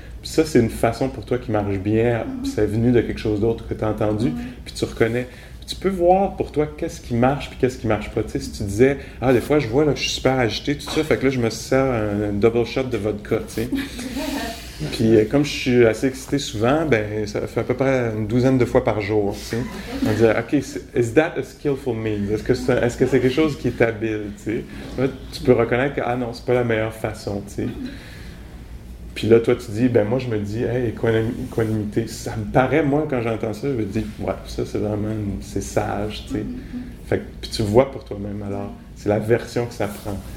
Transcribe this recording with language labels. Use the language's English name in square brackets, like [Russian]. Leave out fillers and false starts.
[French] Ça, c'est une façon pour toi qui marche bien. Mm-hmm. C'est venu de quelque chose d'autre que tu as entendu, mm-hmm. Puis tu reconnais. Tu peux voir pour toi qu'est-ce qui marche puis qu'est-ce qui marche pas. Tu sais, si tu disais, ah, des fois, je vois, là, je suis super agité, tout ça, fait que là, je me sers un double shot de vodka, tu sais. Puis comme je suis assez excité souvent, ben ça fait à peu près 12 fois par jour, tu sais. On dirait, [English] OK, is that a skillful means? [French] Est-ce que c'est quelque chose qui est habile, tu sais? Là, tu peux reconnaître que, ah non, c'est pas la meilleure façon, tu sais. Puis là, toi, tu dis, ben moi, je me dis, hey, équanimité. Ça me paraît, moi, quand j'entends ça, je me dis, ouais, ça, c'est vraiment, c'est sage, tu sais. Mm-hmm. Fait que, puis tu vois pour toi-même, alors, c'est la version que ça prend. Okay.